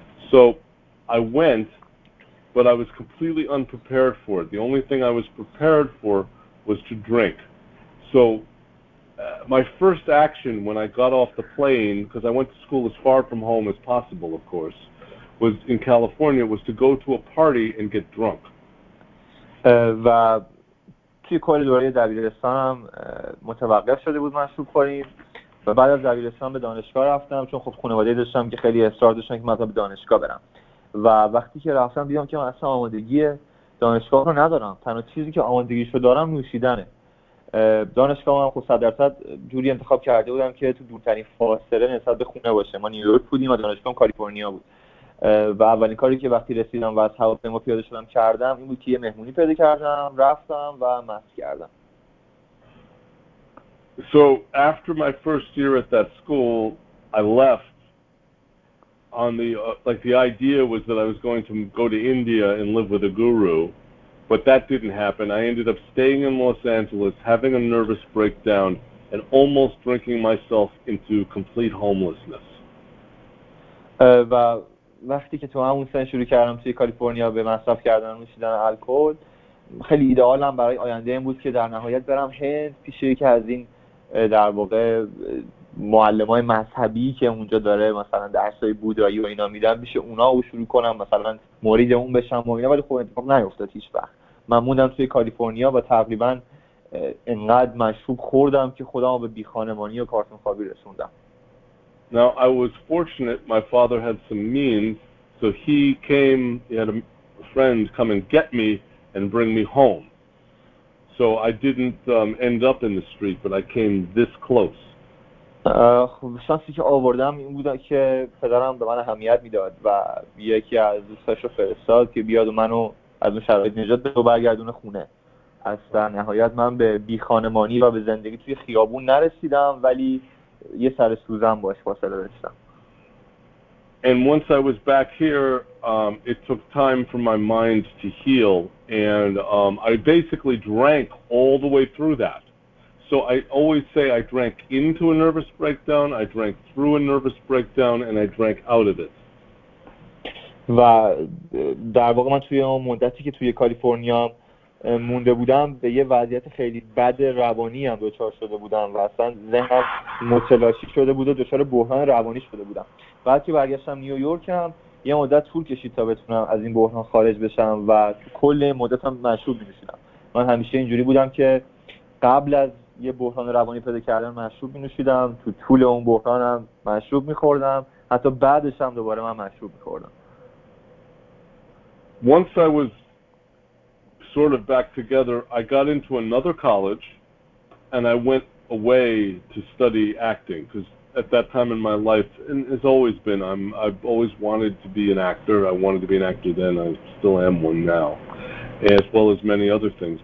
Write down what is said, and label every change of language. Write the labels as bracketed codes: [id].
[en] So I went, but I was completely unprepared for it. The only thing I was prepared for was to drink. So my first action when I got off the plane, because I went to school as far from home as possible, of course, was in California, was to go to a party and get drunk. [fa] و توی کل دوره دبیرستانم متوقف شده بود مشروب خوریم و بعد از دبیرستان به دانشگاه رفتم چون خب خانواده داشتم که خیلی اصرار داشتن که من به دانشگاه برم و وقتی که رفتم دیدم که من اصلا آمادگیه دانشگاه رو ندارم. تنها چیزی که آمادگیش رو دارم نوشیدنه. دانشگاه من خود 100% جوری انتخاب کرده بودم که تو دورترین فاصله نسبت به خونه باشه. ما نیویورک بودیم و دانشگاه هم کالیفرنیا بود. و اولین کاری که وقتی رسیدم و از هواپیما پیاده شدم کردم این بود که یه مهمونی پیدا کردم، رفتم و مست کردم. [en] So after my first year at that school, I left. On the like the idea was that I was going to go to India and live with a guru, but that didn't happen. I ended up staying in Los Angeles, having a nervous breakdown, and almost drinking myself into complete homelessness. [fa] و وقتی که تو همون سن شروع کردم توی کالیفرنیا به مصرف کردن و نوشیدن الکل، خیلی ایدئالم برای آینده این بود که در نهایت برم هند پیش یکی از این در واقع معلمای مذهبی که اونجا داره مثلا درسای بودایی و اینا میدن، پیش اونا و شروع کنم مثلا مرید اون بشم و اینا، ولی خب اتفاق نیفتاد هیچ وقت. من موندم توی کالیفرنیا و تقریبا انقدر مشروب خوردم که خودم به بیخانمانی و کارتون خوابی رسوندم. [en] Now I was fortunate my father had some means, so he came, he had a friend come and get me and bring me home. So I didn't end up in the street, but I came this close. [fa] شانسی که آوردم این بود که پدرم به من اهمیت میداد و یکی از دوستاشو فرستاد که بیاد و منو از اون شرایط نجات بده و برگردونه خونه. از در نهایت من به بی خانمانی و به زندگی توی خیابون نرسیدم، ولی یه سر سوزن باش فاصله داشتم. [en] And once I was back here, it took time for my mind to heal, and I basically drank all the way through that. So I always say I drank into a nervous breakdown, I drank through a nervous breakdown, and I drank out of it. [fa] و در واقع من توی اون مدتی که توی کالیفرنیا مونده بودم به یه وضعیت خیلی بد روانی هم دچار شده بودم و اصلا ذهنم متلاشی شده بود و دچار بحران روانی شده بودم. بعد که برگشتم نیویورک هم یه مدت طول کشید تا بتونم از این بحران خارج بشم و کل مدت هم مشروب می‌نوشیدم. من همیشه اینجوری بودم که قبل از یه بحران روانی پیدا کردن مشروب می‌نوشیدم، تو طول اون بحرانم مشروب می‌خوردم، حتی بعدش هم دوباره من مشروب می‌خوردم. [en] Once I was sort of back together, I got into another college and I went away to study acting because at that time in my life, and it's always been, I've always wanted to be an actor. I wanted to be an actor then. I still am one now, as well as many other things.